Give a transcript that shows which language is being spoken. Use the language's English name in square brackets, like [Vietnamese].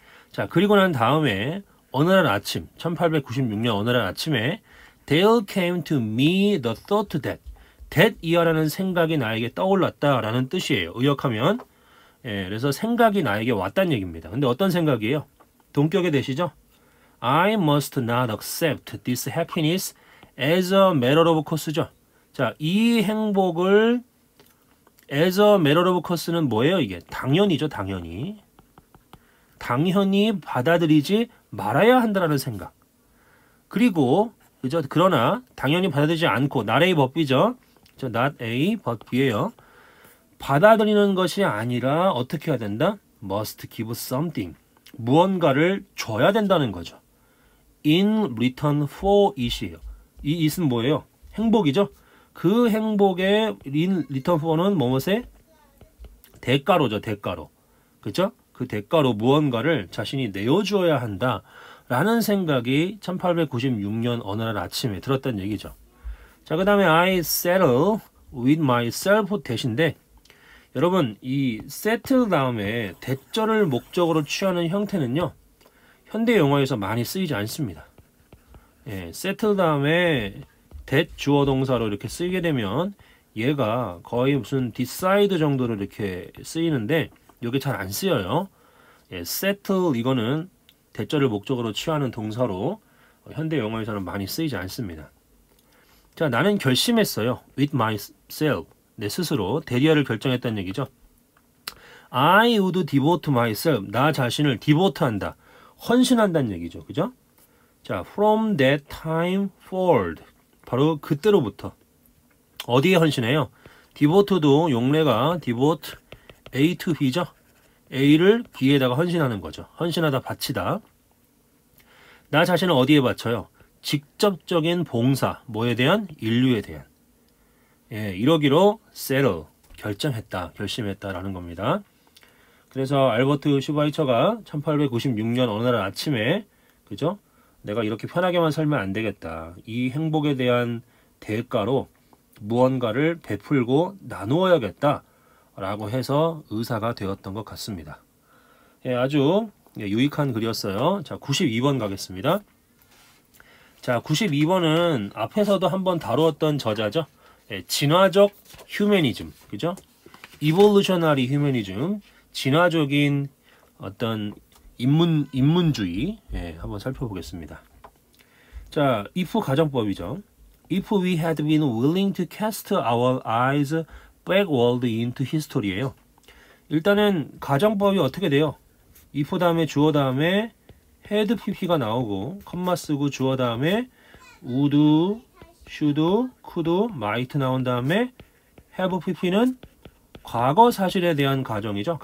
[Korean] 자, 그리고 난 다음에 어느 날 아침, 1896년 어느 날 아침에 [English] Dale came to me the thought that that [Korean] 이어라는 생각이 나에게 떠올랐다라는 뜻이에요. 의역하면 예, 그래서 생각이 나에게 왔다는 얘기입니다. 근데 어떤 생각이에요? 동격에 되시죠? [English] I must not accept this happiness as a matter of course죠. [Korean] 자, 이 행복을 [English] as a matter of course [Korean] 는 뭐예요? 이게 당연이죠. 당연히 당연히 받아들이지 말아야 한다라는 생각. 그리고 그죠? 그러나 당연히 받아들이지 않고 [English] not a but b [Korean] 죠. [English] Not a but b예요. [Korean] 받아들이는 것이 아니라 어떻게 해야 된다? [English] Must give something. [Korean] 무언가를 줘야 된다는 거죠. [English] In return for it이에요. [Korean] 이 it은 뭐예요? 행복이죠. 그 행복의 [English] in return for [Korean] 는 무엇의 대가로죠. 대가로. 그죠? 그 대가로 무언가를 자신이 내어주어야 한다라는 생각이 1896년 어느 날 아침에 들었던 얘기죠. 자, 그 다음에 [English] I settle with myself [Korean] 대신데 여러분 이 settle 다음에 대절을 목적으로 취하는 형태는요 현대 영어에서 많이 쓰이지 않습니다. 예, settle 다음에 that 주어 동사로 이렇게 쓰이게 되면 얘가 거의 무슨 decide 정도로 이렇게 쓰이는데 이게 잘 안 쓰여요. 예, settle 이거는 대절을 목적으로 취하는 동사로 현대 영어에서는 많이 쓰이지 않습니다. 자, 나는 결심했어요. [English] With myself. [Korean] 내 스스로 대리어를 결정했다는 얘기죠. [English] I would devote myself. [Korean] 나 자신을 devote한다. 헌신한다는 얘기죠. 그죠? [English] 자, from that time forward. [Korean] 바로 그때로부터. 어디에 헌신해요? devote도 용례가 [English] devote A to B [Korean] 죠. A를 B에다가 헌신하는 거죠. 헌신하다, 바치다. 나 자신을 어디에 바쳐요? 직접적인 봉사. 뭐에 대한? 인류에 대한. 예, 이러기로 settle. 결정했다. 결심했다. 라는 겁니다. 그래서 알버트 슈바이처가 1896년 어느 날 아침에, 그죠? 내가 이렇게 편하게만 살면 안 되겠다. 이 행복에 대한 대가로 무언가를 베풀고 나누어야겠다. 라고 해서 의사가 되었던 것 같습니다. 예, 아주 유익한 글이었어요. 자, 92번 가겠습니다. 자, 92번은 앞에서도 한번 다루었던 저자죠. 예, 진화적 휴머니즘, 그죠? [English] Evolutionary Humanism, [Korean] 진화적인 어떤 인문주의, 예, 한번 살펴보겠습니다. 자, if 가정법이죠. [English] If we had been willing to cast our eyes backward into history예요. [Korean] 일단은 가정법이 어떻게 돼요? if 다음에 주어 다음에 had pp가 나오고 컴마 쓰고 주어 다음에 would, should, could, might 나온 다음에 have pp는 과거 사실에 대한 가정이죠.